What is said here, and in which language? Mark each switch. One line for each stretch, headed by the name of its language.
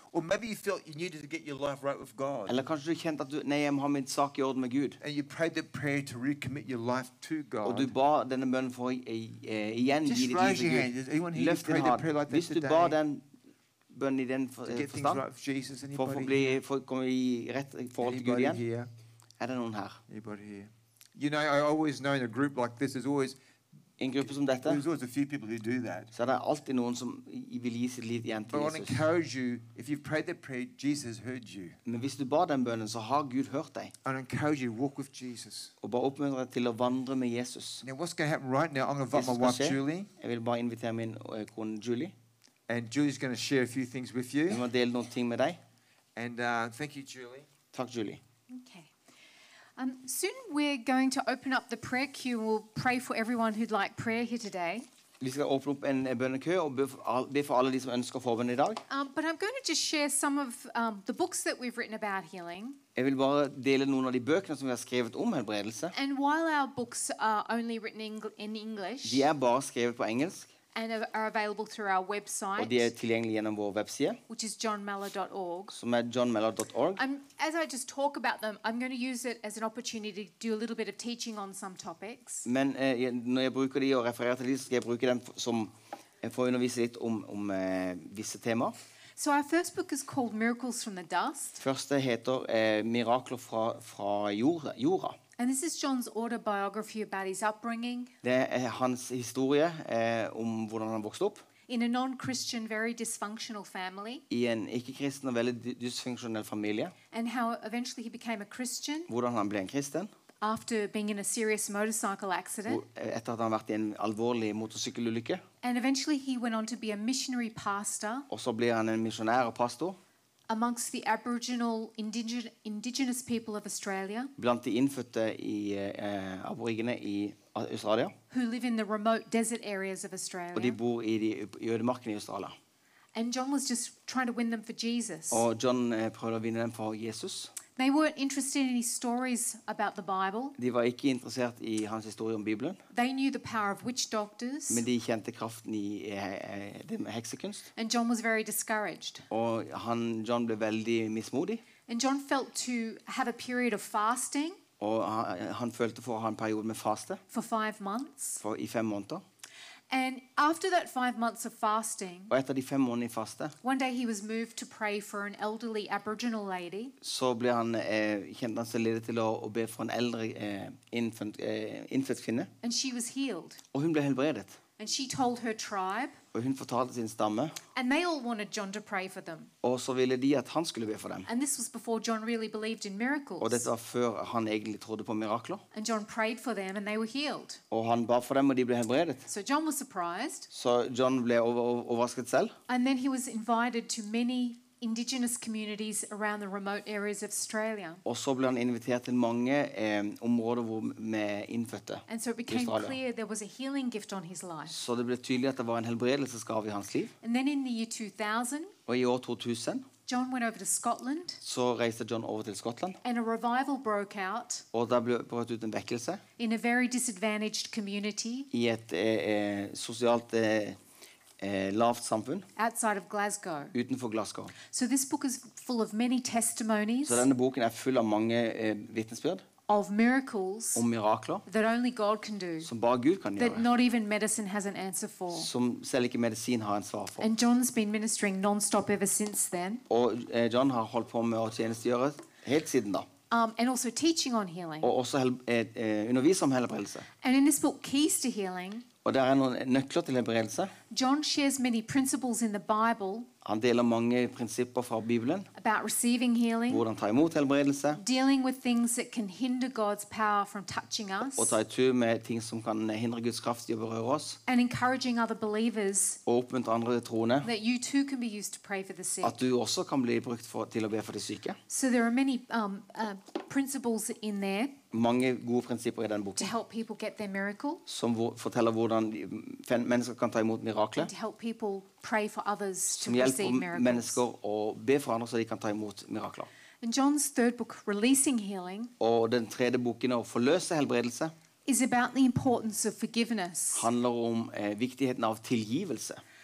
English: or maybe you felt you needed to get your life right with God,
Norwegian: eller kanskje du kjente at du, nei, jeg har min sak I orden med Gud, and you prayed that prayer to recommit your life to God, og du bar denne bønn for igjen gi det til Gud.
English: Just raise your hand.
Norwegian: Hvis du bar den bønn I den forstand for å bli for å komme I rett forhold til Gud igjen. Det noen her?
English: You know, I always know in a group like this is always
Norwegian: en gruppe som dette.
English: There's always a few people who do that.
Norwegian: Så det alltid noen som vil gi sitt liv igjen til Jesus.
English: But I encourage you, if you've prayed that prayer, Jesus has heard you.
Norwegian: Men hvis du bar den bønnen, så har Gud hørt deg.
English: I encourage you, walk with Jesus.
Norwegian: Og bare oppmuntre deg til å vandre med Jesus.
English: Now what's going to happen right now? I'm going to invite my wife Julie.
Norwegian: Jeg vil bare invitere min kone Julie.
English: And Julie's going to share a few things with you.
Norwegian: Jeg må dele noen ting med deg.
English: And thank you, Julie.
Norwegian: Takk, Julie.
English: Okay. Soon we're going to open up the prayer queue. We'll pray for everyone who'd like prayer here today.
Norwegian: Vi skal åpne opp en bønnekø og be for alle de som ønsker å få bønn I dag.
English: But I'm going to just share some of the books that we've written about healing.
Norwegian: Jeg vil bare dele noen av de bøkene som vi har skrevet om helbredelse.
English: And while our books are only written in English.
Norwegian: De bare skrevet på engelsk.
English: And are available through our website.
Norwegian: Og de tilgjengelig gjennom vår webside.
English: Which is johnmellor.org.
Norwegian: Som johnmellor.org.
English: As I just talk about them, I'm going to use it as an opportunity to do a little bit of teaching on some topics.
Norwegian: Men når jeg bruker de og refererer til de, skal jeg bruke dem som for å undervise litt om visse temaer.
English: So our first book is called Miracles from the Dust.
Norwegian: Første heter Mirakler fra jorda.
English: And this is John's autobiography about his upbringing.
Norwegian: Det hans historie om hvordan han vokste opp.
English: In a non-Christian, very dysfunctional family.
Norwegian: I en ikke-kristen og veldig dysfunksjonell familie.
English: And how eventually he became a Christian.
Norwegian: Hvordan han ble en kristen.
English: After being in a serious motorcycle accident.
Norwegian: Etter at han vært I en alvorlig motorsykkelulykke.
English: And eventually he went on to be a missionary pastor.
Norwegian: Og så blir han en misjonær og pastor.
English: Amongst the Aboriginal indigenous people of Australia.
Norwegian: Blant de innfødte I aboriginene I Australia.
English: Who live in the remote desert areas of Australia.
Norwegian: Og de bor I de ødemarkene I Australia.
English: And John was just trying to win them for Jesus.
Norwegian: Og John prøvde å vinne dem for Jesus.
English: They weren't interested in his stories about the Bible.
Norwegian: De var ikke interessert I hans historie om Bibelen.
English: They knew the power of witch doctors.
Norwegian: Men de kjente kraften I den heksekunst.
English: And John was very discouraged.
Norwegian: Og John ble veldig mismodig.
English: And John felt to have a period of fasting.
Norwegian: Og han følte for å ha en periode med faste.
English: For 5 months.
Norwegian: For I 5 måneder.
English: And after that 5 months of fasting,
Norwegian: og etter de 5 månedene I faste,
English: one day he was moved to pray for an elderly Aboriginal lady.
Norwegian: Så ble han kjent han seg ledet til å be for en eldre innfødt kvinne.
English: And she was healed.
Norwegian: Og hun ble helbredet.
English: And she told her tribe.
Norwegian: Og hun fortalte sin stamme.
English: And they all wanted John to pray for them.
Norwegian: Og så ville de at han skulle be for dem.
English: And this was before John really believed in miracles.
Norwegian: Og dette var før han egentlig trodde på mirakler.
English: And John prayed for them and they were healed.
Norwegian: Og han ba for dem og de ble helbredet.
English: So John was surprised.
Norwegian: Så John ble overrasket selv.
English: And then he was invited to many indigenous communities around the remote areas of Australia.
Norwegian: Og så ble han invitert til mange områder hvor med innfødte.
English: And so it became clear there was a healing gift on his life.
Norwegian: Så det ble tydelig at det var en helbredelsesgave I hans liv.
English: And then in the year 2000.
Norwegian: Og I år 2000.
English: John went over to Scotland.
Norwegian: Så reiste John over til Skottland.
English: And a revival broke out.
Norwegian: Og da ble brøt ut en vekkelse.
English: In a very disadvantaged community.
Norwegian: I et sosialt lavt samfunn
English: outside of Glasgow.
Norwegian: Utenfor Glasgow.
English: So this book is full of many testimonies.
Norwegian: Så denne boken full av mange vitnesbyrd.
English: Of miracles.
Norwegian: Om mirakler.
English: That only God can do.
Norwegian: Som bare Gud kan gjøre.
English: That not even medicine has an answer for.
Norwegian: Som selv ikke medisin har en svar for.
English: And John's been ministering non-stop ever since then.
Norwegian: Og John har holdt på med å tjenestegjøre helt siden da.
English: And also teaching on healing.
Norwegian: Og også undervise om helbredelse.
English: And in this book, Keys to Healing.
Norwegian: Og der noen nøkler til helbredelse.
English: John shares many principles in the Bible.
Norwegian: Han deler mange prinsipper fra Bibelen.
English: About receiving healing.
Norwegian: Hvordan ta imot helbredelse.
English: Dealing with things that can hinder God's power from touching us.
Norwegian: Og ta itu med ting som kan hindre Guds kraft I å berøre oss.
English: And encouraging other believers.
Norwegian: Og oppmuntre andre troende.
English: That you too can be used to pray for the sick.
Norwegian: At du også kan bli brukt til å be for de syke.
English: So there are many principles in there.
Norwegian: Mange gode prinsipper I den boken.
English: To help people get their miracle.
Norwegian: Som forteller hvordan mennesker kan ta imot mirakler.
English: And to help people pray for others to receive
Norwegian: miracles. Som hjelper mennesker å be for andre så de kan ta imot mirakler.
English: And John's third book, Releasing Healing.
Norwegian: Og den tredje boken å forløse helbredelse.
English: Is about the importance of forgiveness.
Norwegian: Handler om viktigheten av tilgivelse.